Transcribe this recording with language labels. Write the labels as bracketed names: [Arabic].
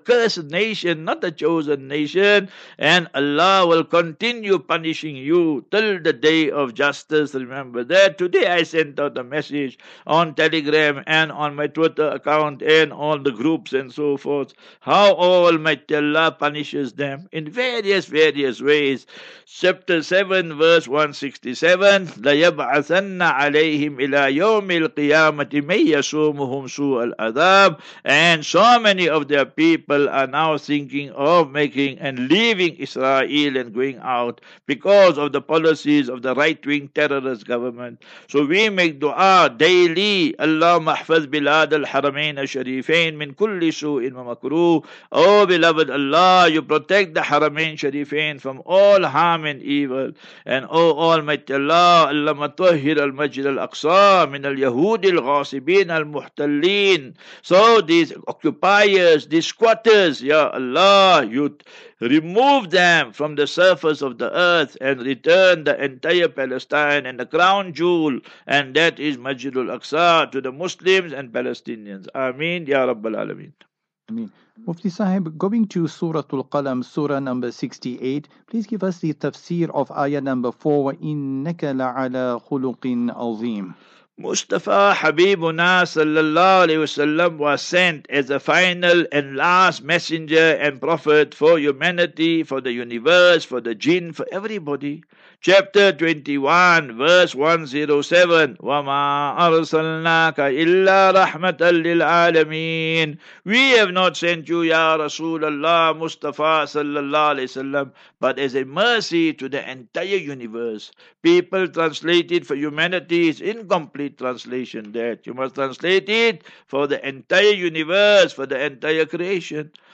[English] cursed nation, not the chosen nation. And Allah will continue punishing you till the day of justice. Remember that. Today I sent out a message on Telegram and on my Twitter account and all the groups and so forth, how Almighty Allah punishes them in various ways. Chapter 7, verse 167, [Arabic] لَيَبْعَثَنَّ عَلَيْهِمْ إِلَىٰ يَوْمِ الْقِيَامَةِ مَنْ يَسُومُهُمْ سُوءَ الْعَذَابِ. [English] And so many of their people are now thinking of making and leaving Israel and going out because of the policies of the right-wing terrorist government. So we make dua daily, [Arabic] اللَّهُمَّ احْفَظْ بِلَادَ الْحَرَمَيْنَ الشَّرِيفَيْنَ مِنْ كُلِّ سُوءٍ وَمَكْرُوهٍ. [English] Oh beloved Allah, you protect the Haramain Sharifain from all harm and evil. And oh Almighty Allah, [Arabic] اللَّهُمَّ طَهِّرَ الْمَجْرَ الْأَقْصَى مِنَ الْيَهُودِ الْغَاصِبِينَ الْمُحْتَلِينَ. [English] So these occupiers, these squatters, ya Allah, you remove them from the surface of the earth and return the entire Palestine and the crown jewel, and that is Majidul Aqsa, to the Muslims and Palestinians. Ameen, ya Rabbal Alameen. Ameen. Mufti Sahib, going to Suratul Qalam, Surah number 68, please give us the tafsir of ayah number 4, [Arabic] وَإِنَّكَ لَعَلَىٰ خُلُقٍ عَظِيمٍ. [English] Mustafa Habibuna sallallahu alayhi wasallam was sent as the final and last messenger and prophet for humanity, for the universe, for the jinn, for everybody. Chapter 21, verse 107, [Arabic] وَمَا أَرْسَلْنَاكَ إِلَّا رَحْمَةً لِلْعَالَمِينَ. [English] We have not sent you, Ya Rasulullah Mustafa sallallahu alayhi wasallam, but as a mercy to the entire universe. People translated for humanity is incomplete translation. That you must translate it for the entire universe, for the entire creation.